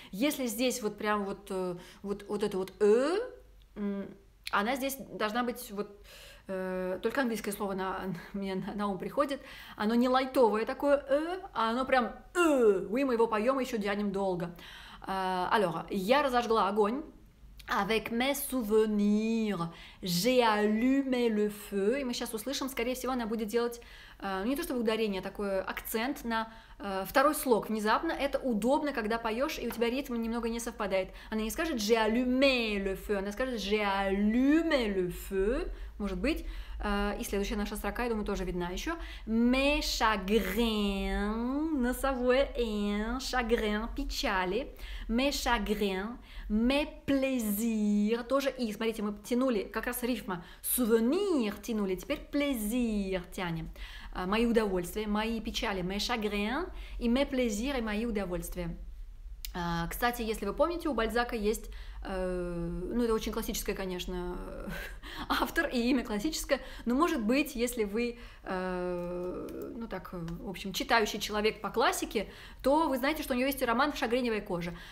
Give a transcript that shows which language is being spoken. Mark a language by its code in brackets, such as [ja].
[ru] Если здесь вот прям вот, вот это вот «э», она здесь должна быть вот только английское слово мне на ум приходит. Оно не лайтовое такое «э», а оно прям «э». [fr] Oui, [ru] мы его поем и еще дянем долго. Alors, я разожгла огонь. [fr] Avec mes souvenirs, j'ai allumé le feu. [ru] И мы сейчас услышим, скорее всего, она будет делать не то чтобы ударение, а такой акцент на второй слог. Внезапно это удобно, когда поешь, и у тебя ритм немного не совпадает. Она не скажет [fr] «j'ai allumé le feu», [ru] она скажет «j'ai allumé le feu», может быть. И следующая наша строка, я думаю, тоже видна еще. [fr] «Mes chagrins», носовое «n», «chagrin», [ru] «печали», [fr] «mes chagrins», «mes plaisirs», тоже «и». [ru] Смотрите, мы тянули как раз рифма «souvenir» тянули, теперь «plaisir» тянем. Мои удовольствия, мои печали, [fr] mes chagrins, [ru] и [fr] mes plaisirs, [ru] и мои удовольствия. Кстати, если вы помните, у Бальзака есть, ну, это очень классическое, конечно, автор, и имя классическое, но, может быть, если вы, ну, так, в общем, читающий человек по классике, то вы знаете, что у него есть роман «В шагреневой коже».